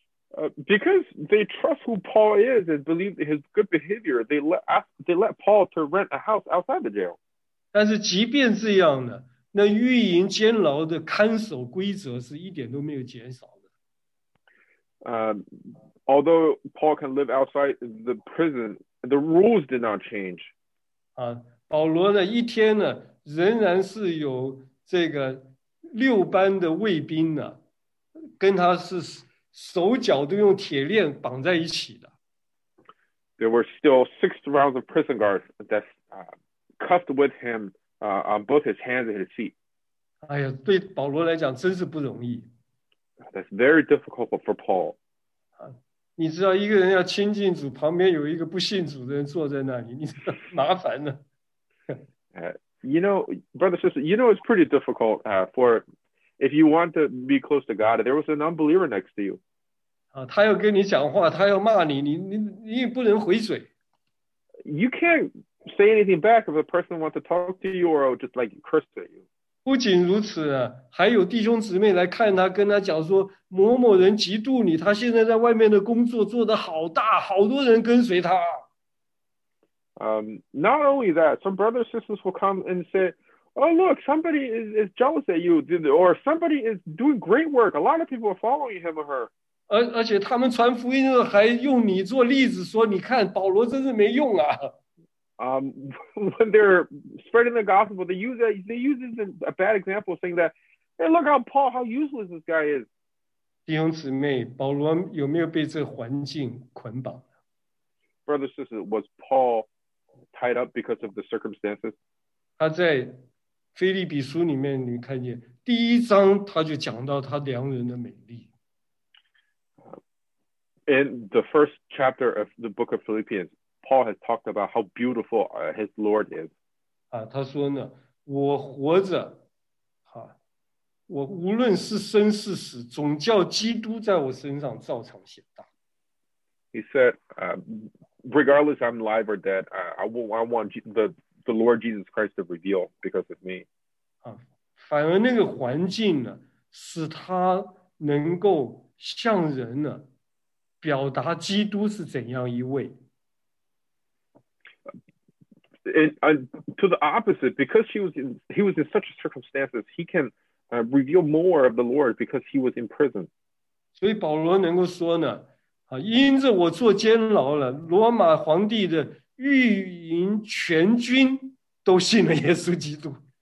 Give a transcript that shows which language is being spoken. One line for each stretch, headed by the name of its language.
English: Because they trust who Paul is and believe his good behavior, they let Paul to rent a house outside the jail.
Chinese: 但是即便这样呢，那御营监牢的看守规则是一点都没有减少的。
English: Although Paul can live outside the prison, the rules did not change.
Chinese: 啊，保罗呢，一天呢，仍然是有这个六班的卫兵呢，跟他是。手脚都用铁链绑在一起的。
English: There were still six rounds of prison guards that cuffed with him on both his hands and his feet.
Chinese: 哎呀，对保罗来讲真是不容易。
English: That's very difficult for Paul.
Chinese: 你知道一个人要亲近主，旁边有一个不信主的人坐在那里，你知道麻烦呢。
English: You know, brother, sister, you know it's pretty difficult for... If you want to be close to God, there was an unbeliever next to you.
Chinese: 啊，他要跟你讲话，他要骂你，你不能回嘴。
English: You can't say anything back if a person wants to talk to you or just like curse at you.
Chinese: 不仅如此，还有弟兄姊妹来看他，跟他讲说某某人嫉妒你，他现在在外面的工作做得好大，好多人跟随他。
English: Not only that, some brothers and sisters will come and say,Oh, look, somebody is jealous at you, or somebody is doing great work. A lot of people are following him or her.
Chinese: 而且他们传福音还用你做例子说，你看保罗真是没用啊。
English: When they're spreading the gospel, they use a bad example, saying that, hey, look how Paul, how useless this guy is.
Chinese: 弟兄姊妹，保罗有没有被这环境捆绑？
English: Brother, sister, was Paul tied up because of the circumstances?
Chinese: 他在腓立比书里面，你看见第一章，他就讲到他良人的美丽。
English: In the first chapter of the book of Philippians, Paul has talked about how beautiful his Lord is.
Chinese: 啊，他说呢，我活着，哈，我无论是生是死，总叫基督在我身上照常显大。
English: He said, regardless I'm alive or dead, I want the Lord Jesus Christ to reveal because of me.
Chinese: 反而那个环境呢，使他能够向人呢，表达基督是怎样一位。
English: To the opposite, because he was in such circumstances, he can reveal more of the Lord because he was in prison.
Chinese: 所以保罗能够说呢，因着我坐监牢了，罗马皇帝的御营全军都信了耶稣基督。